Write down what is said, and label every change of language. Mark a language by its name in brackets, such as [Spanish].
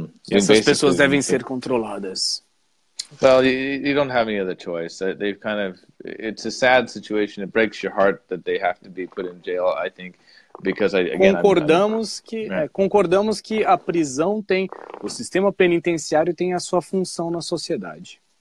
[Portuguese] essas pessoas devem ser controladas. [English] Well, you don't have any other choice. They've kind of, it's a sad situation. It breaks your heart that they have to be put in jail, I think, because I, again, [Portuguese] concordamos que a prisão tem, o sistema penitenciário tem a sua função na sociedade.